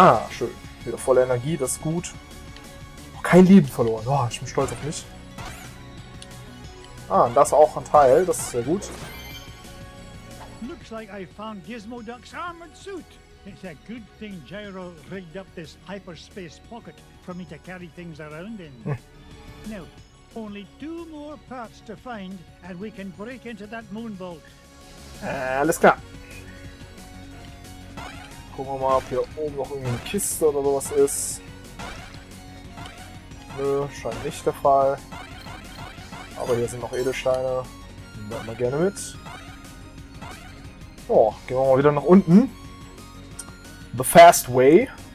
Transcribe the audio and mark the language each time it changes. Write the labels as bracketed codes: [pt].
[de] Schön. Wieder volle Energie, das ist gut. Oh, kein Leben verloren. Boah, ich bin stolz auf mich. Ah, und das auch ein Teil, das ist sehr gut. [en] Looks like I found Gizmo Duck's armored suit. It's a good thing Gyro rigged up this hyperspace pocket for me to carry things around in. Now, only two more parts to find and we can break into that moon vault. [de] Alles klar. Gucken wir mal, ob hier oben noch irgendeine Kiste oder sowas ist. Nö, scheint nicht der Fall. Aber hier sind noch Edelsteine. Nehmen wir gerne mit. Oh, gehen wir mal wieder nach unten. The fast way.